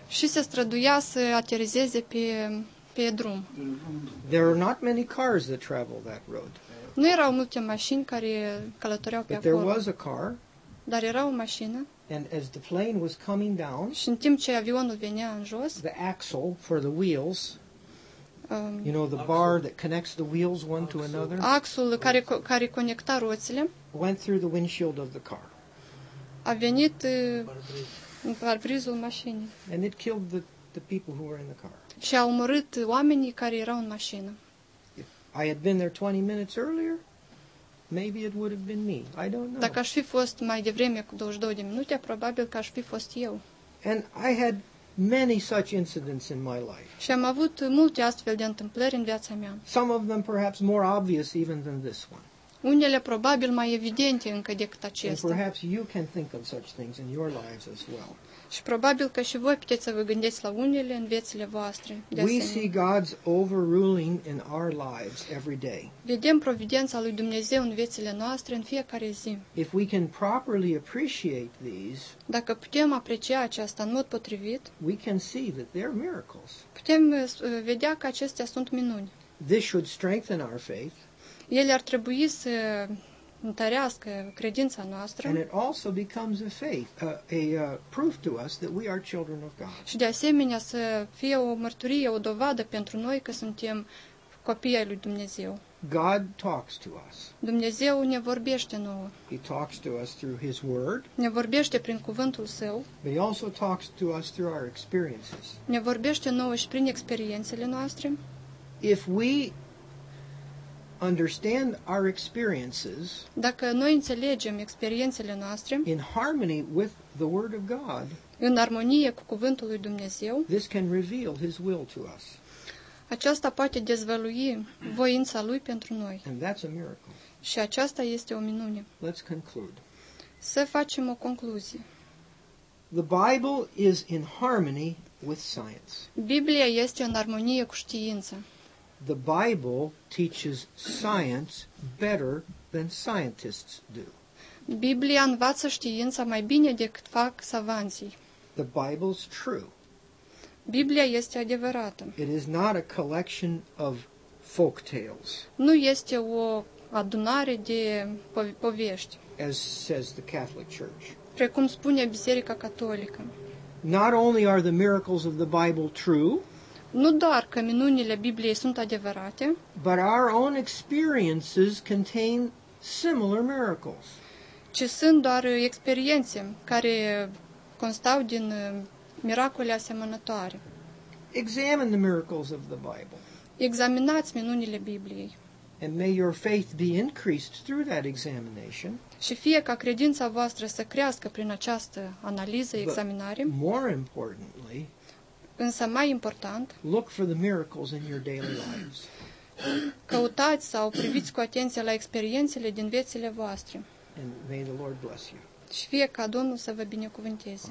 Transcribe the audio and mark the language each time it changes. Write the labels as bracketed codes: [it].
[ro] Și se străduia să aterizeze pe drum. [en] There are not many cars that travel that road. [ro] Nu erau multe mașini care călătoreau pe acolo. [en] But there was a car. [ro] Dar era o mașină. [en] And as the plane was coming down, [ro] și în timp ce avionul venea în jos, [en] the axle for the wheels, you know, the axle. Bar that connects the wheels one axle. To another, [ro] axul care conecta roțile, [en] went through the windshield of the car. [ro] A venit în parbrizul mașinii. [en] And it killed the people who were in the car. [ro] Și a omorât oamenii care erau în mașină. [en] If I had been there 20 minutes earlier, maybe it would have been me. I don't know. [ro] Dacă aș fi fost mai devreme cu 22 de minute, probabil că aș fi fost eu. [en] And I had many such incidents in my life. [ro] Și am avut multe astfel de întâmplări în viața mea. [en] Some of them perhaps more obvious even than this one. [ro] Unele probabil mai evidente încă decât acestea. [en] And perhaps you can think of such things in your lives as well. [ro] Și probabil că și voi puteți să vă gândiți la unele în viețile voastre. [en] We see God's overruling in our lives every day. [ro] Vedem providența lui Dumnezeu în viețile noastre în fiecare zi. [en] If we can properly appreciate these, [ro] dacă putem aprecia aceasta în mod potrivit, [en] we can see that they're miracles. [ro] Putem vedea că acestea sunt minuni. [en] This should strengthen our faith. [ro] Ele ar trebui să întărească credința noastră. [en] And it also becomes a faith, a proof to us that we are children of God. [ro] Și de asemenea să fie o mărturie, o dovadă pentru noi că suntem copii ai lui Dumnezeu. [en] God talks to us. [ro] Dumnezeu ne vorbește nouă. [en] He talks to us through his word. [ro] Ne vorbește prin cuvântul său. [en] But he also talks to us through our experiences. [ro] Ne vorbește nouă și prin experiențele noastre. [en] If we understand our experiences, [ro] dacă noi înțelegem experiențele noastre, [en] in harmony with the word of God, [ro] în armonie cu cuvântul lui Dumnezeu, [en] this can reveal his will to us. [ro] Aceasta poate dezvălui voința lui pentru noi. [en] And that's a miracle. [ro] Și aceasta este o minune. [en] Let's conclude. [ro] Să facem o concluzie. [en] The Bible is in harmony with science. [ro] Biblia este în armonie cu știința. [en] The Bible teaches science better than scientists do. [ro] Biblia învață știința mai bine decât fac savanții. [en] The Bible's true. [ro] Biblia este adevărată. [en] It is not a collection of folk tales. [ro] Nu este o adunare de povești. [en] As says the Catholic Church. [ro] Precum spune Biserica Catolică. [en] Not only are the miracles of the Bible true, [ro] nu doar că minunile Bibliei sunt adevărate, [en] but our own experiences contain similar miracles. [ro] Ci sunt doar experiențe care constau din miracole asemănătoare. [en] Examine the miracles of the Bible. [ro] Examinați minunile Bibliei. [en] And may your faith be increased through that examination. [ro] Și fie ca credința voastră să crească prin această analiză, examinare. [en] But more importantly, [ro] însă mai important, [en] look for the miracles in your daily lives. [ro] Căutați sau priviți cu atenție la experiențele din viețile voastre. [en] And may the Lord bless you. [ro] Și fie ca Domnul să vă binecuvânteze.